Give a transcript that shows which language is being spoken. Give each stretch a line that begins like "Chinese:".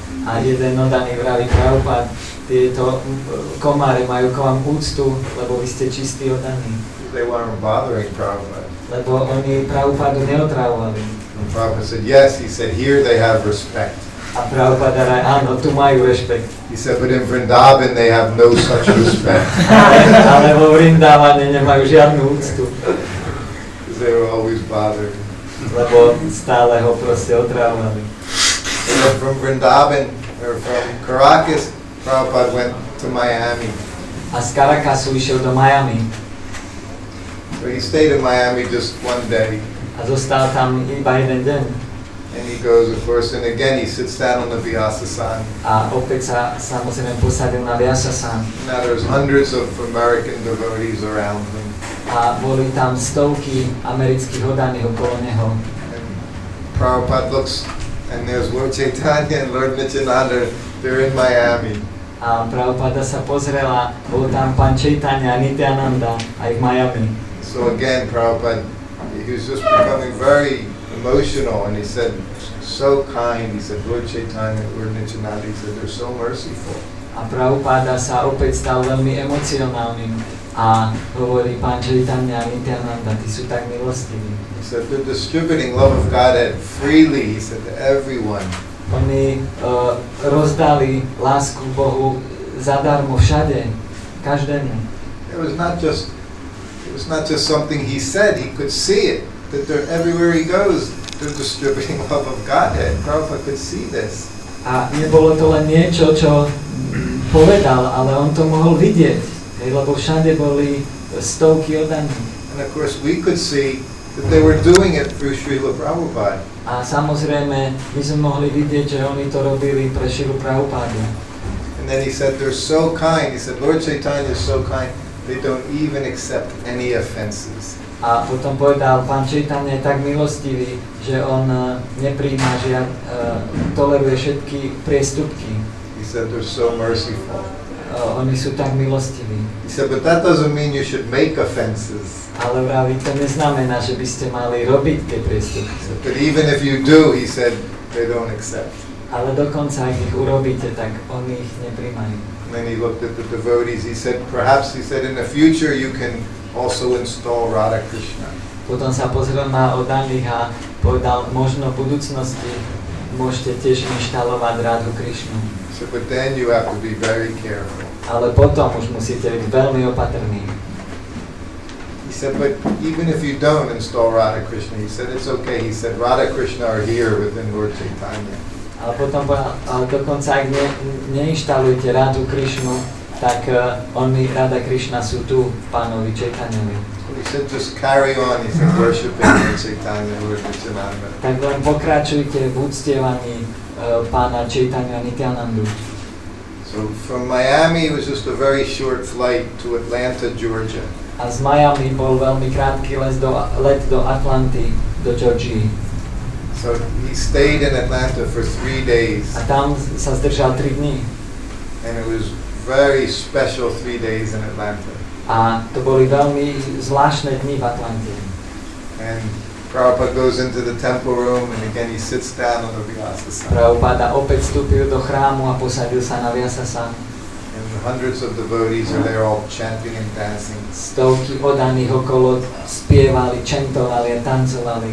Slovak: A jeden oddaný vraví, Prabhupada, tieto komáre majú k vám úctu, lebo vy ste čistý oddaní.
English: They weren't bothering Prabhupada.
Slovak: Lebo oni Prabhupadu neotravovali.
English: And Prabhupada said, yes, he said, here they have respect.
Slovak: A Prabhupada raj, áno, tu majú respekt.
English: He said, but in Vrindavan they have no such respect.
Slovak: Ale vo Vrindavane nemajú žiadnu úctu.
English: Because they were always bothering.
Slovak: Lebo stále ho proste otravovali.
English: So from Vrindavan, or from Caracas, Prabhupada went to Miami.
Slovak: A z Caracasu išiel do Miami.
English: So he stayed in Miami just one day.
Slovak: A zostal tam iba jeden deň.
English: And he goes, of course, and again he sits down on the Vyasasan.
Slovak: A opäť sa samozrejme posadil na Vyasasan.
English: Now there's hundreds of American devotees around him.
Slovak: A boli tam stovky amerických oddaní okolo neho.
English: Prabhupada looks, and there's Lord Chaitanya and Lord Nityananda. They're in Miami.
Slovak: A Prabhupada sa pozrela, bol tam Pán Chaitanya a Nityananda aj v Miami.
English: So again, Prabhupada, he was just becoming very emotional, and he said, so kind, he said, Lord Chaitanya, Lord Nityananda, he said, they're so merciful.
Slovak: A Prabhupada sa opäť stal veľmi emocionálnym a hovorí, Pán Chaitanya a Nityananda, ty sú tak milostiví.
English: He said, they're distributing love of Godhead freely, he said, to everyone.
Slovak: Oni rozdali lásku Bohu zadarmo všade, každému.
English: It was not just something he said, he could see it, that they're everywhere he goes, they're distributing love of Godhead. Prabhupada could see this.
Slovak: A nebolo to len niečo, čo povedal, ale on to mohol vidieť, lebo všade boli stovky oddaní.
English: And of course we could see that they were doing it through Srila Prabhupada.
Slovak: A samozrejme, my sme mohli vidieť, že oni to robili pre Srilu Prabhupádu.
English: And then he said, they're so kind, he said, Lord Chaitanya is so kind, they don't even accept any offenses.
Slovak: A potom povedal, Pán Chaitanya je tak milostivý, že on nepríjma žiad, toleruje všetky priestupky.
English: He said, they're so merciful.
Slovak: Oni sú tak milostiví.
English: He said, but that doesn't mean you should make offenses.
Slovak: Ale vraví, to neznamená, že by ste mali robiť tie priestupky.
English: So, but even if you do, he said, they don't accept.
Slovak: Ale dokonca, ak ich urobíte, tak oni ich neprijmajú.
English: Then he looked at the devotees, he said, perhaps, he said, in the future you can also install Radha Krishna.
Slovak: Potom sa pozrel na oddaných a povedal, možno v budúcnosti môžete tiež inštalovať Radhu Krishnu.
English: So, but then you have to be very careful.
Slovak: Ale potom už musíte byť veľmi opatrní.
English: He said, but even if you don't install Radha Krishna, he said, it's okay, he said, Radha Krishna are here within Lord Chaitanya.
Slovak: Ale potom ale dokonca, ak neinštalujete Radu Krishnu, tak oni, Rada Krishna, sú tu, pánovi Chaitanyovi.
English: He said, just carry on, he said, worshiping Lord Chaitanya, Lord Nityananda.
Slovak: Tak len pokračujte v úctievaní pána Chaitanya Nityanandu.
English: So from Miami, it was just a very short flight to Atlanta, Georgia.
Slovak: A z Miami bol veľmi krátky let do Atlanty, do Georgie.
English: So he stayed in Atlanta for 3 days.
Slovak: A tam sa zdržal 3 dní.
English: And it was very special 3 days in Atlanta.
Slovak: A to boli veľmi zvláštne dni v Atlante.
English: And Prabhupada goes into the temple room and again he sits down on the Vyasasana.
Slovak: Prabhupada opäť vstúpil do chrámu a posadil sa na Vyasasana.
English: And the hundreds of devotees are there all chanting and dancing.
Slovak: Stovky oddaných okolo spievali, čentovali a tancovali.